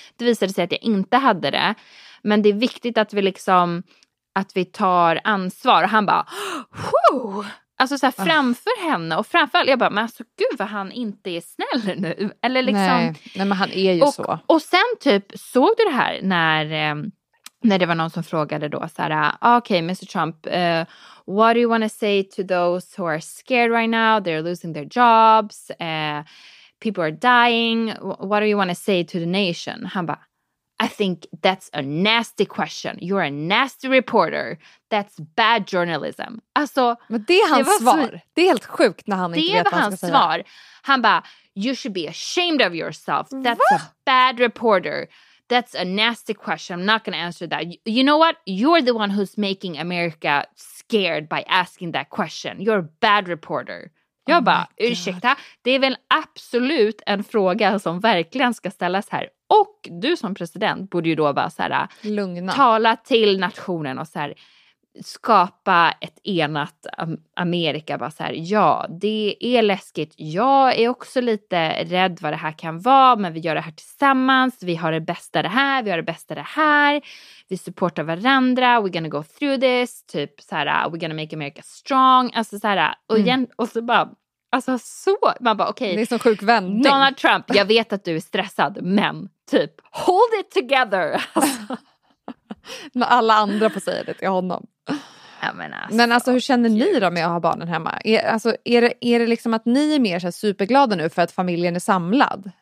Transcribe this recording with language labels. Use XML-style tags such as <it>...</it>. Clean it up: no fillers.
<sv>Det visade sig att jag inte hade det. Men det är viktigt att vi liksom, att vi tar ansvar. Och han bara, whoo! Alltså så här, framför henne och framför allt. Jag bara, men alltså gud vad han inte är snäll nu. Eller liksom. Nej, men han är ju och, så. Och sen typ, såg du det här när det var någon som frågade då så här,</sv> <en>okay, Mr. Trump, what do you want to say to those who are scared right now? They're losing their jobs. People are dying. What do you want to say to the nation?</en> <sv>Han bara,</sv> <en>I think that's a nasty question. You're a nasty reporter. That's bad journalism.</en> <sv>Alltså, men det är hans svar. Det är helt sjukt när han inte vet vad han ska säga. Det är hans svar. Han bara,</sv> <en>you should be ashamed of yourself. That's a bad reporter. That's a nasty question. I'm not going to answer that. You know what? You're the one who's making America scared by asking that question. You're a bad reporter.</en> <sv>Jag bara, ursäkta, det är väl absolut en fråga som verkligen ska ställas här. Och du som president borde ju då bara så här, lugna, tala till nationen och så här, skapa ett enat Amerika. Bara så här, ja, det är läskigt. Jag är också lite rädd vad det här kan vara, men vi gör det här tillsammans. Vi har det bästa det här, vi har det bästa det här. Vi supportar varandra,</sv> <en>we're gonna go through this.</en> <sv>Typ så här,</sv> <en>we're gonna make America strong.</en> <sv>Alltså så här, och igen, och så bara... Alltså så, man bara okej. Okay. Det är som sjuk vändning. Donald Trump, jag vet att du är stressad, men typ,</sv> <en>hold it together.</en> <sv>Alltså. Med alla andra på sig det till honom. Ja, men, alltså, men alltså, hur känner ni då med att ha barnen hemma? Är det liksom att ni är mer så här superglada nu för att familjen är samlad?</sv>